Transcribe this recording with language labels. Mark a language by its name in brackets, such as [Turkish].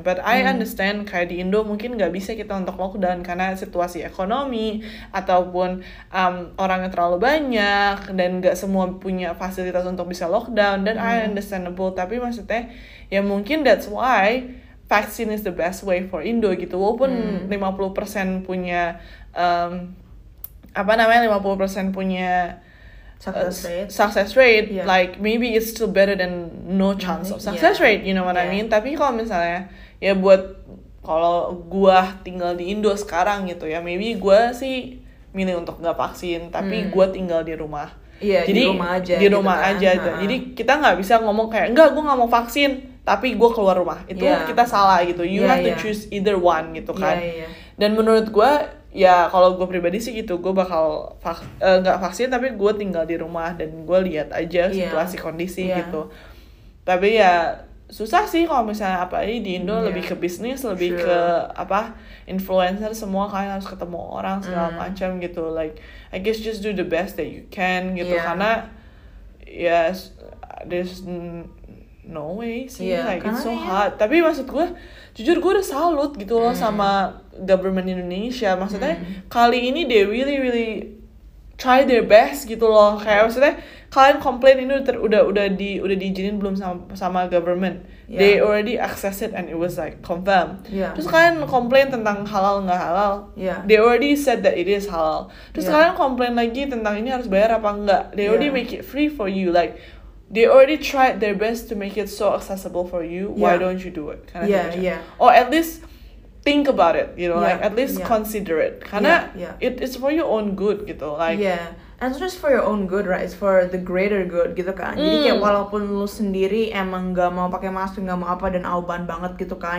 [English] But I understand [Indonesian] kayak di Indo mungkin gak bisa kita untuk lockdown karena situasi ekonomi ataupun orangnya terlalu banyak dan gak semua punya fasilitas untuk bisa lockdown dan [English] I understandable, [Indonesian] tapi maksudnya ya mungkin [English] that's why vaccine is the best way for Indo [Indonesian] gitu. Walaupun 50% punya 50% punya [English] success rate yeah. Like maybe it's still better than no chance of success rate, you know what I mean? [Indonesian] Tapi kalau misalnya ya buat kalau gua tinggal di Indo sekarang gitu ya, [English] maybe [Indonesian] gua sih milih untuk enggak vaksin, tapi gua tinggal di rumah. Iya, [English] yeah, [Indonesian] di rumah aja. Di rumah gitu aja. Kan? Jadi kita enggak bisa ngomong kayak enggak gua enggak mau vaksin, tapi gue keluar rumah. Itu kita salah gitu. [English] You have to choose either one [Indonesian] gitu kan. Dan menurut gue, ya kalau gue pribadi sih gitu, gue bakal gak vaksin, tapi gue tinggal di rumah dan gue lihat aja situasi kondisi gitu. Tapi ya susah sih kalau misalnya apa ini di Indo lebih ke bisnis, lebih ke apa influencer, semua kalian harus ketemu orang segala macam gitu. [English] Like I guess just do the best that you can gitu. [Indonesian] Karena [English] yes, there's no way [Indonesian] sih, [English] like it's so hard. [Indonesian] Tapi maksud gue, jujur gue udah salut gitu loh sama government Indonesia. Maksudnya kali ini [English] they really really try their best [Indonesian] gitu loh. Kayak maksudnya kalian komplain ini udah diizinin belum sama government. [English] They already access it and it was like confirmed. [Indonesian] Terus kalian komplain tentang halal nggak halal. [English] They already said that it is halal. [Indonesian] Terus kalian komplain lagi tentang ini harus bayar apa enggak. [English] They already make it free for you, like they already tried their best to make it so accessible for you. Why don't you do it? Kind of Or at least think about it, you know, like at least consider it. [Indonesian] Karena [English] it's for your own good [Indonesian] gitu. [English] Like And it's just for your own good, right? It's for the greater good [Indonesian] gitu kan. Jadi kayak walaupun lu sendiri emang gak mau pakai masker, gak mau apa dan auban banget gitu kan.